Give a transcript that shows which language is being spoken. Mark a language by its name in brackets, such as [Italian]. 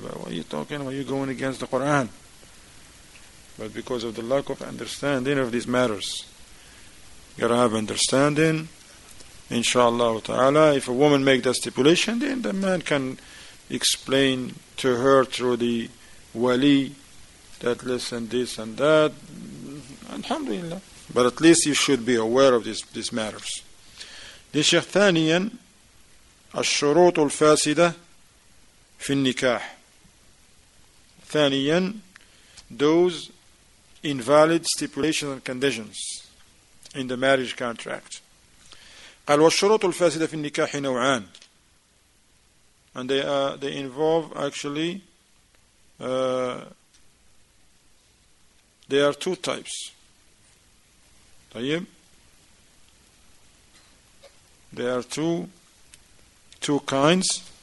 [English] What are you talking about? You're going against the Quran. But because of the lack of understanding of these matters, you gotta have understanding, inshallah ta'ala. If a woman make that stipulation, then the man can explain to her through the wali that listen, this and that, alhamdulillah. But at least you should be aware of these matters. The Sheikh Thaniyan, [Arabic] الشروط الفاسدة في النكاح. ثانيا, [English] those invalid stipulations and conditions in the marriage contract. [Arabic] قال والشروط الفاسدة في النكاح نوعان. [English] And they involve actually, there are two types. [Arabic] طيب. [English] Two kinds.